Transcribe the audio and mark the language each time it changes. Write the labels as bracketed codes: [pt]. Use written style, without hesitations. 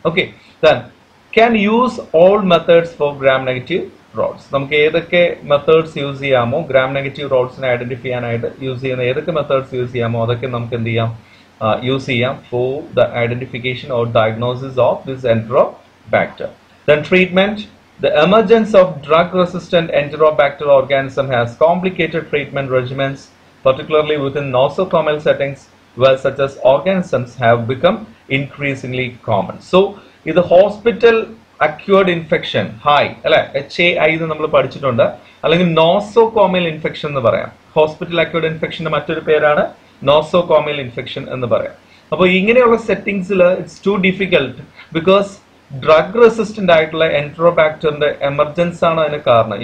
[en] Okay, then can use all methods for gram negative rods. [ml] നമുക്ക് ഏതൊക്കെ methods use ചെയ്യാമോ gram negative റോഡ്സിനെ identify ചെയ്യാനായിട്ട് use ചെയ്യുന്ന ഏതൊക്കെ മെത്തേഡ്സ് യൂസ് ചെയ്യാമോ അതൊക്കെ നമുക്ക് എന്ത് ചെയ്യാം, യൂസ് ചെയ്യാം [en] For the identification or diagnosis of this enterobacter. Then treatment. The emergence of drug resistant enterobacter organism has complicated treatment regimens, particularly within nosocomial settings where such as organisms have become increasingly common. [ml] So ഇത് hospital acquired infection high അല്ലെ, H A I നമ്മൾ പഠിച്ചിട്ടുണ്ട്, അല്ലെങ്കിൽ nosocomial infection എന്ന് പറയാം. Hospital acquired ഇൻഫെക്ഷന്റെ മറ്റൊരു പേരാണ് nosocomial infection എന്ന് പറയാം. അപ്പോൾ ഇങ്ങനെയുള്ള സെറ്റിംഗ്സിൽ [en] it's too difficult because [ml] drug resistant ആയിട്ടുള്ള എൻട്രോബാക്ടറിന്റെ എമർജൻസ് ആണ് അതിന് കാരണം.